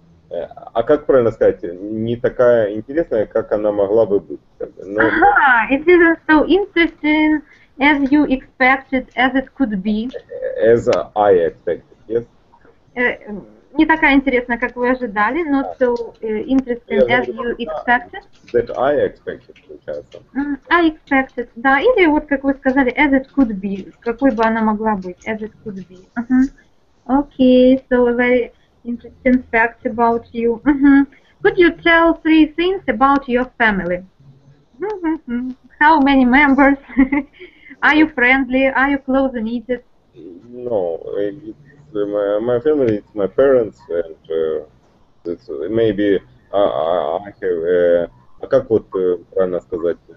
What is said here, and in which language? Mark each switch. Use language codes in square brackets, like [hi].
[ru] А как правильно сказать, не такая интересная, как она могла бы быть? [en] No. Aha, it isn't so interesting as you expected, as it could be. As I expected, yes. [ru] Не такая интересная, как вы ожидали, [en] not so interesting as you expected. That I expected, [ru] получается. [en] I expected, [ru] да, или вот как вы сказали, [en] as it could be, [ru] какой бы она могла быть, as it could be. [en] Uh-huh. Okay, so a very interesting fact about you. Uh-huh. Could you tell three things about your family? Uh-huh. How many members? Are you friendly? Are you close-knitted? No. My family, it's my parents, and it's maybe I have. [ru] А как вот правильно сказать?